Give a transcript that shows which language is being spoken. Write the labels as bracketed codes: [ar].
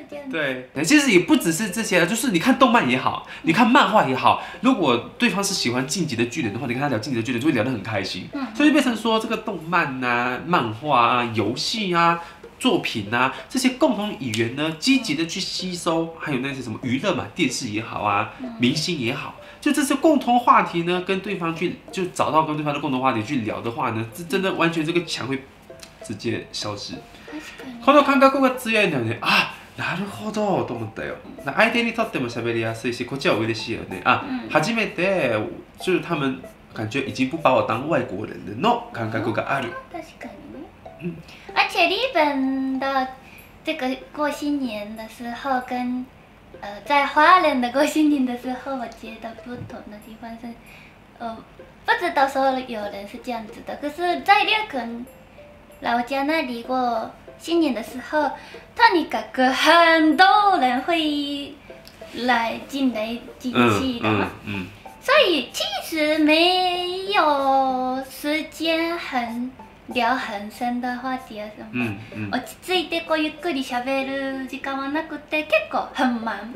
[zh] 对，其实也不只是这些，就是你看动漫也好，你看漫画也好，如果对方是喜欢进击的巨人的话，你跟他聊进击的巨人就会聊得很开心，所以变成说这个动漫啊、漫画啊、游戏啊、作品啊这些共同语言呢，积极的去吸收，还有那些什么娱乐嘛，电视也好啊，明星也好，就这些共同话题呢，跟对方去就找到跟对方的共同话题去聊的话呢，这真的完全这个墙会直接消失。 [ja] この感覚が強いんだよね啊。なるほどと思ったよ。相手にとっても喋りやすいし、こっちは嬉しいよね。あ、初めて、就是他们感觉已经不把我当外国人的の感覚がある。確かに。 [zh] 而且日本的这个过新年的时候跟在华人的过新年的时候，我觉得不同的地方是，不知道说有人是这样子的，可是在日本老家那里过新年的时候，とにかく很多人会来进来进去的嘛，所以其实没有时间很聊很深的话题啊什么，落ち着いてこうゆっくり喋る時間はなくて結構很忙，